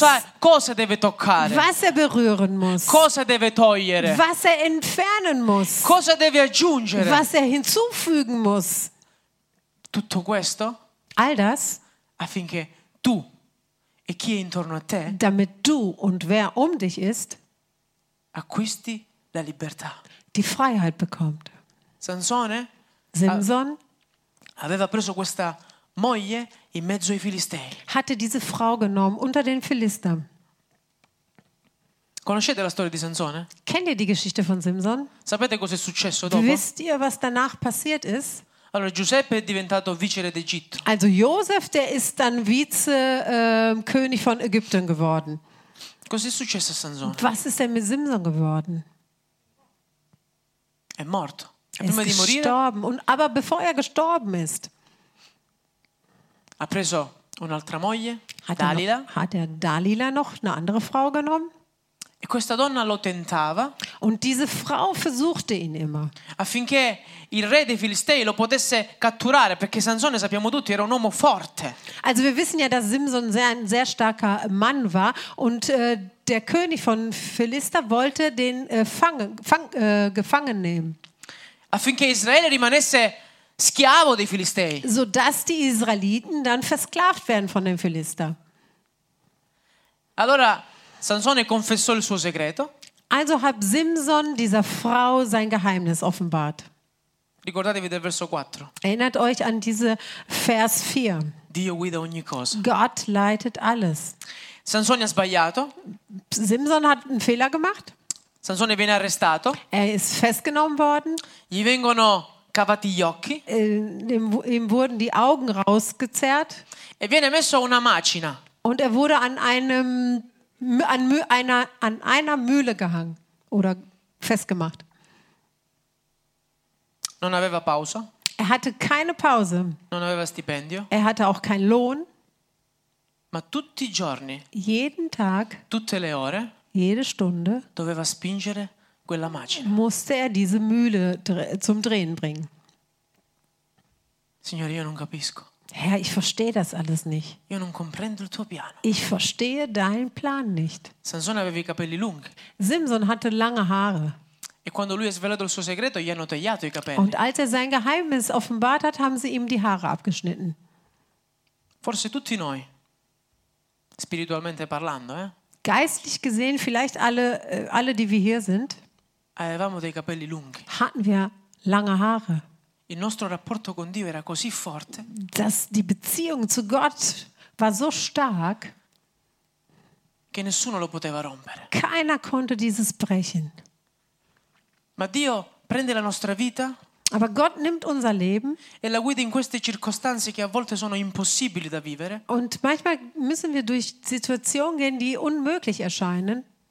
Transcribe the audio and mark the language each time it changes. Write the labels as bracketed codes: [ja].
[it] Lui sa cosa deve toccare. [de] Was er berühren muss. [it] Cosa deve togliere. [de] Was er entfernen muss. [it] Cosa deve aggiungere. [de] Was er hinzufügen muss. [it] Tutto questo, [de] all das, [it] affinché tu e chi è intorno a te, [de] damit du und wer um dich ist, [it] acquisti la libertà, [de] die Freiheit bekommt. [it] Sansone, [de] Simson, [it] aveva preso questa moglie in mezzo ai filistei. [de] Hatte diese Frau genommen unter den Philistern. [it] Conoscete la storia di Sansone? [de] Kennt ihr die Geschichte von Simson? [it] Sapete cosa è successo dopo? [de] Wisst ihr, was danach passiert ist? [it] Allora Giuseppe è diventato viceré d'Egitto. [de] Also Josef, der ist dann Vize König von Ägypten geworden. [it] Cosa è successo a Sansone? [de] Was ist denn mit Simson geworden? [it] È morto. [de] Er ist gestorben. [it] Morire, [de] und aber bevor er gestorben ist, [it] ha preso un'altra moglie, Dalila. [de] Hat er Dalila noch eine andere Frau genommen? [it] E questa donna lo tentava. [de] Und diese Frau versuchte ihn immer. [it] Affinché il re dei Filistei lo potesse catturare, perché Sansone, sappiamo tutti, era un uomo forte. [de] Also wir wissen ja, dass Simson ein sehr starker Mann war und der König von Philister wollte den gefangen nehmen. [it] Affinché Israele rimanesse schiavo dei Filistei. [de] So dass die Israeliten dann versklavt werden von den Philister. [it] Allora Sansone confessò il suo segreto. [de] Also hat Simson dieser Frau sein Geheimnis offenbart. [it] Ricordatevi del verso 4. [de] Erinnert euch an diese Vers 4. [it] Dio guida ogni cosa. [de] Gott leitet alles. [it] Sansone ha sbagliato. [de] Simson hat einen Fehler gemacht. [it] Sansone viene arrestato. [de] Er ist festgenommen worden. [it] Gli vengono cavati gli occhi. [de] Ihm wurden die Augen rausgezerrt. [it] E viene messo a una macina. [de] Und er wurde an einer Mühle gehangen oder festgemacht. [it] Non aveva pausa. [de] Er hatte keine Pause. [it] Non aveva stipendio. [de] Er hatte auch keinen Lohn. [it] Ma tutti i giorni, [de] jeden Tag, [it] tutte le ore, [de] jede Stunde, [it] doveva spingere quella macina. [de] Musste er diese Mühle zum Drehen bringen. [it] Signore, io non capisco. [de] Herr, ich verstehe das alles nicht. [it] Io non comprendo il tuo piano. [de] Ich verstehe deinen Plan nicht. [it] Sansone aveva i capelli lunghi. [de] Simson hatte lange Haare. [it] E quando lui ha svelato il suo segreto, gli hanno tagliato i capelli. [de] Und als er sein Geheimnis offenbart hat, haben sie ihm die Haare abgeschnitten. [it] Forse tutti noi, spiritualmente parlando, [de] Geistlich gesehen, vielleicht alle, die wir hier sind, [it] avevamo dei capelli lunghi. [de] Hatten wir lange Haare. [it] Il nostro rapporto con Dio era così forte, [de] dass die Beziehung zu Gott war so stark, [it] che nessuno lo poteva rompere. [de] Keiner konnte dieses brechen. [it] Ma Dio prende la nostra vita. [de] Aber Gott nimmt unser Leben. [it] E la guida in queste circostanze che a volte sono impossibili da vivere. [de] Und manchmal müssen wir durch Situationen gehen, die unmöglich erscheinen.